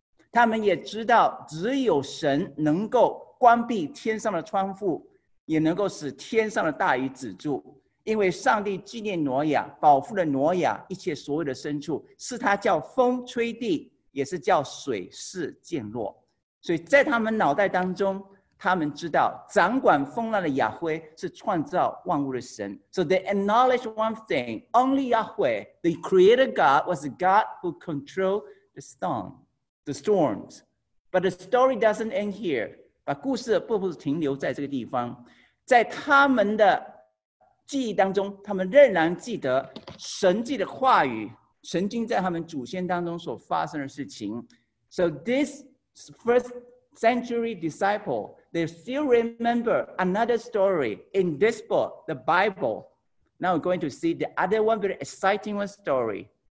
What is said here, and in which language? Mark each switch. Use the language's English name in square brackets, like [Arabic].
[Chinese] 他们也知道只有神能够关闭天上的窗户，也能够使天上的大雨止住。因为上帝纪念挪亚，保护了挪亚一切所有的牲畜，是他叫风吹地，也是叫水势渐落。所以在他们脑袋当中，他们知道掌管风浪的亚辉是创造万物的神。 [English] So they acknowledge one thing, only Yahweh, the creator God, was the God who controlled the storm, the storms. But the story doesn't end here. [Chinese] 把故事不不停留在这个地方。在他们的记忆当中，他们仍然记得神迹的话语，曾经在他们祖先当中所发生的事情。 [English] So this first century disciple, they still remember another story in this book, the Bible. Now we're going to see the other one, very exciting one story.